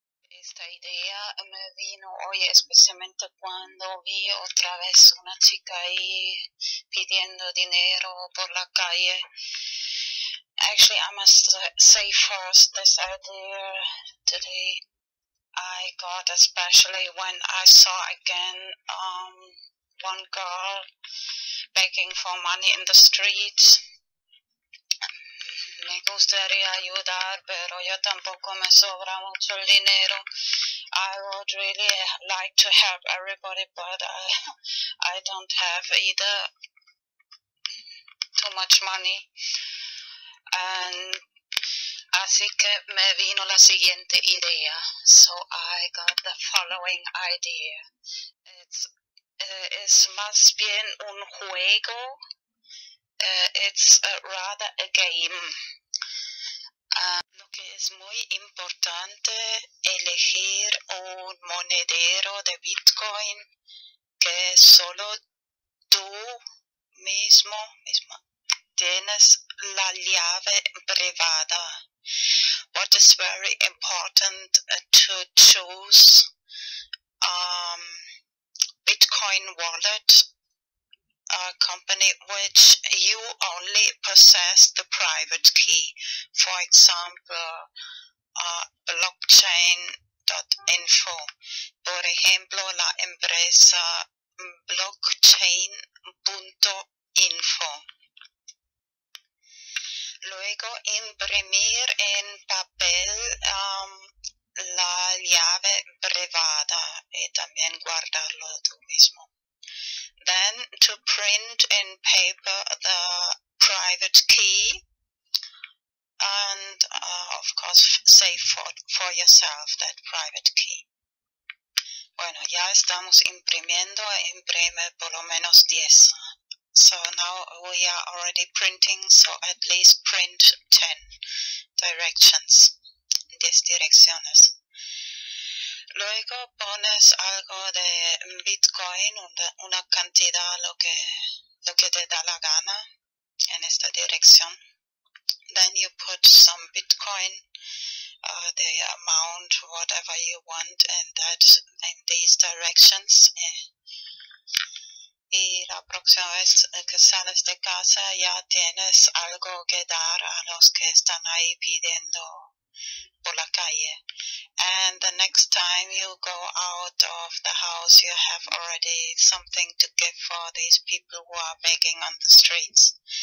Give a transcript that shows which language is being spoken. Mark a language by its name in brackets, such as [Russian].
[Spanish] esta idea me vino hoy especialmente cuando vi otra vez una chica ahí pidiendo dinero por la calle. [English] Actually, I must say first this idea today I got, especially when I saw again one girl begging for money in the streets. [Spanish] Me gustaría ayudar, pero yo tampoco me sobra mucho el dinero. [English] I would really like to help everybody, but I don't have either too much money. [Spanish] And así que me vino la siguiente idea. [English] So I got the following idea. It's [Spanish] más bien un juego. [English] It's rather a game. [Spanish] Lo que es muy importante, elegir un monedero de Bitcoin que solo tú mismo tienes la llave privada. [English] What is very important to choose Bitcoin wallet, a company which you only possess the private key. For example, blockchain.info. [Spanish] Por ejemplo, la empresa blockchain.info. Luego, imprimir en papel la llave privada y también guardarlo tú mismo. [English] Then, to print in paper the private key and, of course, save for yourself that private key. [Spanish] Bueno, ya estamos imprimiendo, imprime por lo menos 10. [English] So now we are already printing, so at least print 10 directions, [Spanish] 10 direcciones. Luego pones algo de Bitcoin, una cantidad, lo que te da la gana en esta dirección. [English] Then you put some Bitcoin, the amount, whatever you want, and that in these directions. [Spanish] Y la próxima vez que sales de casa ya tienes algo que dar a los que están ahí pidiendo por la calle. [English] And the next time you go out of the house, you have already something to give for these people who are begging on the streets.